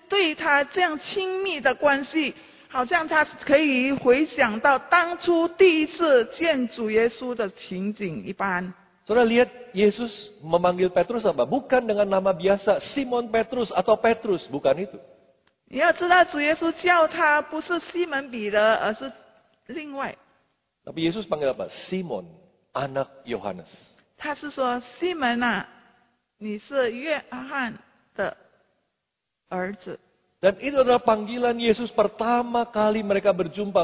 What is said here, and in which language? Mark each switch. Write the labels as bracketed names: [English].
[Indonesian] Ini [Chinese] 情景呢让彼得心中非常的疼痛，因为他看到主耶稣对他这样亲密的关系。好像他可以回想到当初第一次见主耶稣的情景一般。 [Indonesian] Saudara lihat Yesus memanggil Petrus apa? Bukan dengan nama biasa, Simon Petrus atau Petrus, bukan itu. [Chinese] 你要知道主耶稣叫他不是西门彼得，而是另外。 [Indonesian] Tapi Yesus panggil apa? Simon, anak Yohanes. [Chinese] 他是说，西门啊，你是约翰的儿子。 [Indonesian] Dan itu adalah panggilan Yesus pertama kali mereka berjumpa.